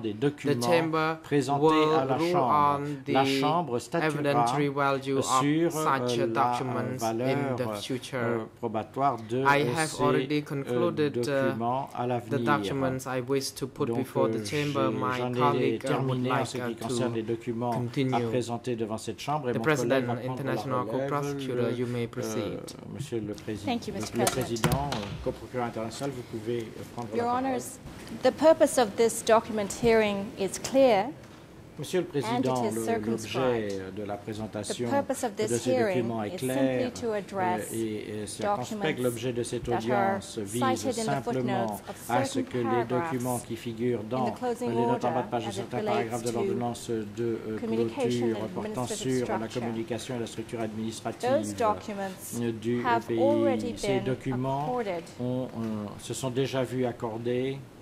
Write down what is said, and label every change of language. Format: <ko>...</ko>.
<en>The chamber will rule on the evidentiary value of such documents in the future. I have already concluded the documents I wish to put before the chamber. My colleague would like to continue. The President, International Co-Prosecutor, you may proceed.</en> <fr>Monsieur le Président.</fr> <en>Thank you, Mr.</en> <fr>Le Président, co-procureur international, vous pouvez prendre</fr> <en>Your</en> <fr>la parole.</fr> <en>Your Honours, the purpose of this document hearing is clear.</en> <fr>Monsieur le Président, l'objet de la présentation de ce document est clair et circonspect. L'objet de cette audience vise simplement à ce que les documents qui figurent dans les notes en bas de page de certains paragraphes de l'ordonnance de clôture portant sur la communication et la structure administrative du pays, ces documents se sont déjà vus accorder</fr>